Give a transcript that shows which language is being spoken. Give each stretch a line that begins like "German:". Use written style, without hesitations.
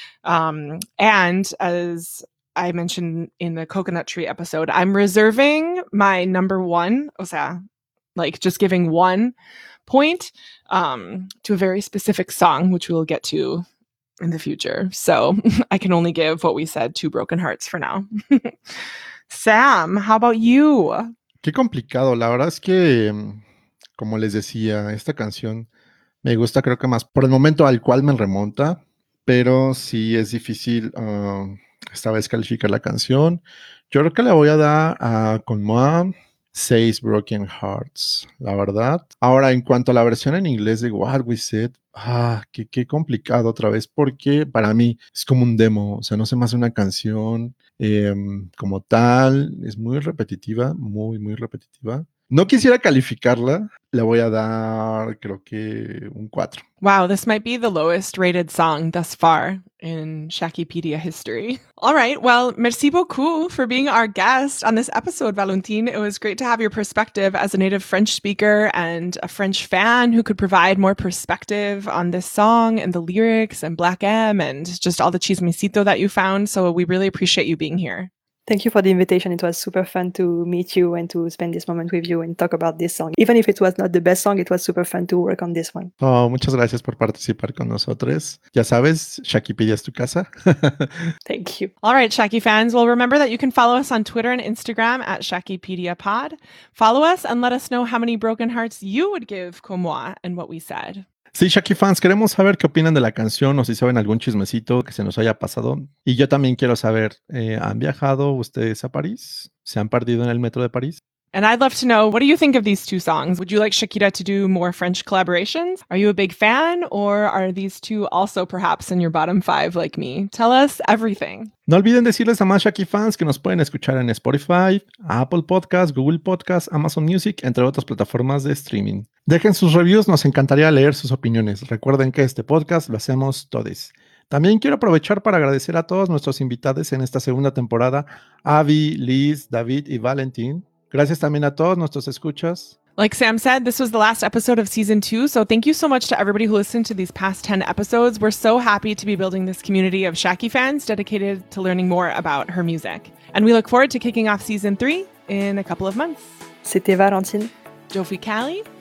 English: And as I mentioned in the Coconut Tree episode, I'm reserving my number one,
Spanish: o sea,
English: like just giving one point to a very specific song, which we will get to in the future. So I can only give what we said 2 broken hearts for now. Sam, how about you?
Spanish: Qué complicado. La verdad es que, como les decía, esta canción me gusta, creo que más por el momento al cual me remonta, pero sí es difícil esta vez calificar la canción. Yo creo que la voy a dar a Conmoa 6 broken hearts, la verdad. Ahora, en cuanto a la versión en inglés de What We Said, qué complicado otra vez, porque para mí es como un demo, o sea, no se me hace una canción como tal, es muy repetitiva, muy, muy repetitiva. No quisiera calificarla, le voy a dar creo que un 4.
English: Wow, this might be the lowest rated song thus far in Shakipedia history. All right, well,
French: merci beaucoup
English: for being our guest on this episode, Valentin. It was great to have your perspective as a native French speaker and a French fan who could provide more perspective on this song and the lyrics and Black M and just all the chismecito that you found. So we really appreciate you being here. Thank you for the invitation. It was super fun to meet you and to spend this moment with you and talk about this song. Even if it was not the best song, it was super fun to work on this one.
Spanish: Oh, muchas gracias por participar con nosotros. Ya sabes, Shakipedia es tu casa.
English: Thank you. All right, Shaki fans. Well, remember that you can follow us on Twitter and Instagram at Shakipedia Pod. Follow us and let us know how many broken hearts you would give Comme-moi and what we said.
Spanish: Sí, Shaki fans, queremos saber qué opinan de la canción o si saben algún chismecito que se nos haya pasado. Y yo también quiero saber, ¿han viajado ustedes a París? ¿Se han perdido en el metro de París?
English: And I'd love to know, what do you think of these 2 songs? Would you like Shakira to do more French collaborations? Are you a big fan or are these 2 also perhaps in your bottom 5 like me? Tell us everything.
Spanish: No olviden decirles a más Shaki fans que nos pueden escuchar en Spotify, Apple Podcasts, Google Podcasts, Amazon Music, entre otras plataformas de streaming. Dejen sus reviews, nos encantaría leer sus opiniones. Recuerden que este podcast lo hacemos todos. También quiero aprovechar para agradecer a todos nuestros invitados en esta segunda temporada, Avi, Liz, David y Valentín. Gracias también a todos nuestros escuchas.
English: Like Sam said, this was the last episode of season 2, so thank you so much to everybody who listened to these past 10 episodes. We're so happy to be building this community of Shaki fans dedicated to learning more about her music. And we look forward to kicking off season 3 in a couple of months.
French: C'était Valentin.
Spanish: Yo fui Cali.